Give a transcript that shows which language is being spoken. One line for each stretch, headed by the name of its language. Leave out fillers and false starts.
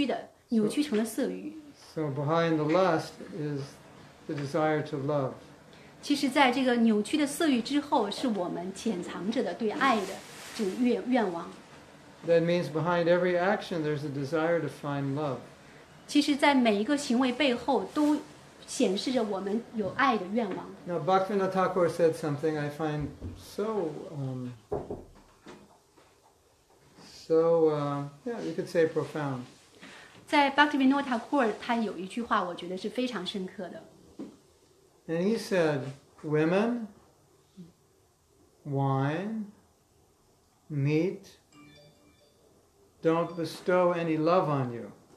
Chinese: 那我们那种想去爱的愿望变成了一种色欲，它是一种扭曲的，扭曲成了色欲。
English: So behind the lust is the desire to love.
Chinese: 其实在这个扭曲的色欲之后，是我们潜藏着的对爱的这种愿望。
English: That means behind every action there's a desire to find love.
Chinese: 其实在每一个行为背后都显示着我们有爱的愿望。
English: Now, Bhaktivinoda Thakur said something I find so, you could say profound.
Chinese: 在 Bhaktivinoda Thakur, 他有一句话我觉得是非常深刻的。
English: And he said, women, wine, meat, don't bestow any love on you.